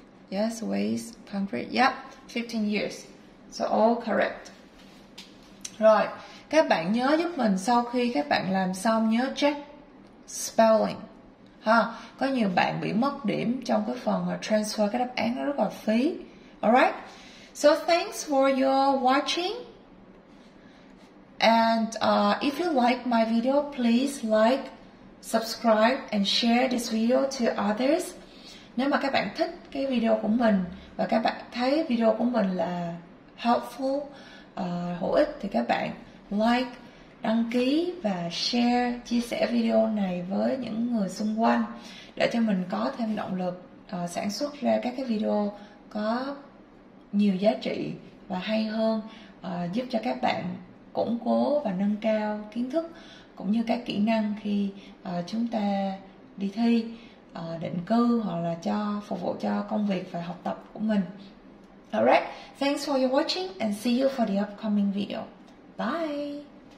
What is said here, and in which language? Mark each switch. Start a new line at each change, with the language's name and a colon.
English: Yes, waste, concrete. Yep, 15 years. So all correct.
Vietnamese: Rồi, các bạn nhớ giúp mình sau khi các bạn làm xong nhớ check spelling. Ha, có nhiều bạn bị mất điểm trong cái phần transfer cái đáp án nó rất là phí.
English: Alright, so thanks for your watching. And if you like my video, please like, subscribe and share this video to others.
Vietnamese: Nếu mà các bạn thích cái video của mình và các bạn thấy video của mình là helpful, hữu ích thì các bạn like, đăng ký và share, chia sẻ video này với những người xung quanh để cho mình có thêm động lực sản xuất ra các cái video có nhiều giá trị và hay hơn, giúp cho các bạn củng cố và nâng cao kiến thức cũng như các kỹ năng khi chúng ta đi thi định cư hoặc là cho phục vụ cho công việc và học tập của mình.
English: Alright, thanks for your watching and see you for the upcoming video. Bye!